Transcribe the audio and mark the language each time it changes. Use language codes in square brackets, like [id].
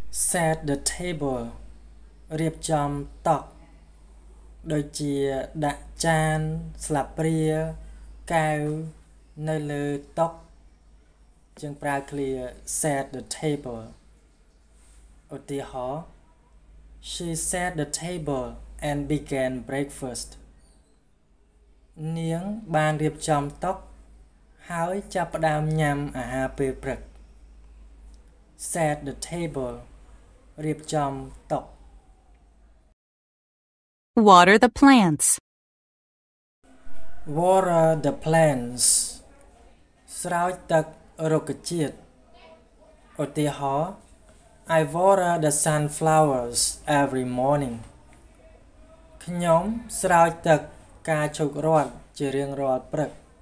[en] Set the table. [km] រៀបចំតុ. ដូចជាដាក់ចាន ស្លាបព្រា កែវ នៅលើតុ. យើងប្រើឃ្លា set the table. ឧទាហរណ៍ [en] She set the table and began breakfast. [km] នាងបានរៀបចំតុ. ហើយចាប់ផ្ដើមញ៉ាំអាហារពេលព្រឹក [en] Set the table. [km] រៀបចំតុ. [en] Water the plants. Water the plants. [km] ស្រោចទឹករុក្ខជាតិ. ឧទាហរណ៍ [en] I water the sunflowers every morning. [km] ខ្ញុំស្រោចទឹកផ្កាឈូករាល់ជារៀងរាល់ព្រឹក.